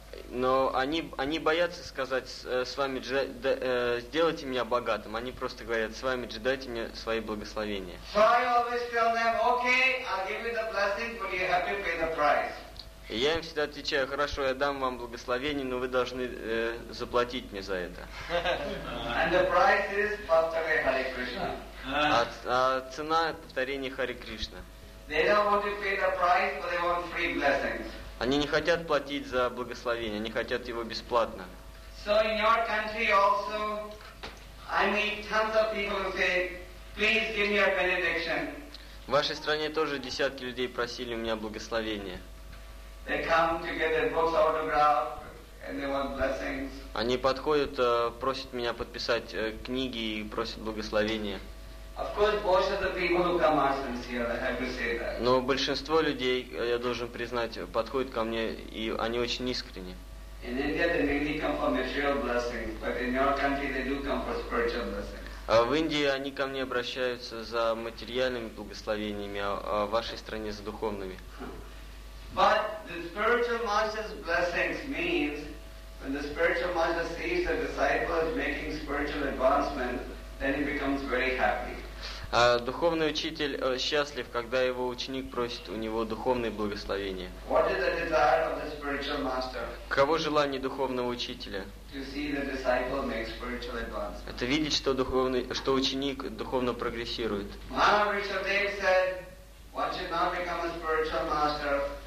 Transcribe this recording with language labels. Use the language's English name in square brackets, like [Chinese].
[Russian] Но они боятся сказать, Свамиджи, сделайте меня богатым. Они просто говорят, Свамиджи, дайте мне свои благословения. [English] So I always tell them, okay, I'll give you the blessing, but you have to pay the price. [Russian] И я им всегда отвечаю, хорошо, я дам вам благословение, но вы должны заплатить мне за это. [English] And the price is Pastore Hare Krishna. [Russian] А цена – повторение Харе Кришна. [English] They don't want to pay the price, but they want free blessings. [Russian] Они не хотят платить за благословение, они хотят его бесплатно. [English] So in your country also, I meet tons of people who say, please give me a benediction. [Russian] В вашей стране тоже десятки людей просили у меня благословения. [English] They come to get their books autographed and they want blessings. [Russian] Они подходят, просят меня подписать книги и просят благословения. [English] Of course, most of the people who come are sincere. I have to say that. [Russian] Но большинство людей, я должен признать, подходят ко мне и они очень искренне. [English] In India, they mainly come for material blessings, but in your country, they do come for spiritual blessings. [Russian] А в Индии они ко мне обращаются за материальными благословениями, а в вашей стране за духовными. [English] But the spiritual master's blessings means when the spiritual master sees the disciple is making spiritual advancement, then he becomes very happy. [Russian] А духовный учитель счастлив, когда его ученик просит у него духовные благословения. [English] What is the desire of the spiritual master? [Russian] Каково желание духовного учителя? [English] To see the disciple make spiritual advancement. [Russian] Это видеть, что духовный, что ученик духовно прогрессирует. [English] Maharishi Dev said, one should not become a spiritual master.